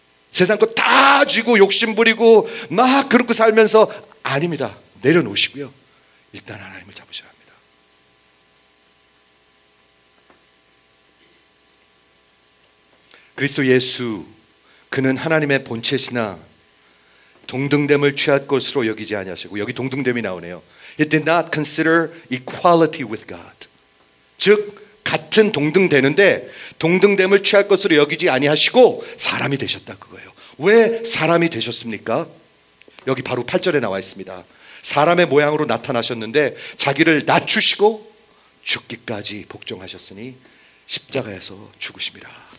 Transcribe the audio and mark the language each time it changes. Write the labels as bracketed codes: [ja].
[ko] 세상 거 다 쥐고 욕심 부리고 막 그렇게 살면서 아닙니다. 내려놓으시고요. 일단 하나님을 잡으셔야 합니다. 그리스도 예수, 그는 하나님의 본체시나 동등됨을 취할 것으로 여기지 아니하시고, 여기 동등됨이 나오네요. [en] He did not consider equality with God. [ko] 즉 같은 동등되는데 동등됨을 취할 것으로 여기지 아니하시고 사람이 되셨다 그거예요. 왜 사람이 되셨습니까? 여기 바로 8절에 나와 있습니다. 사람의 모양으로 나타나셨는데 자기를 낮추시고 죽기까지 복종하셨으니 십자가에서 죽으십니다.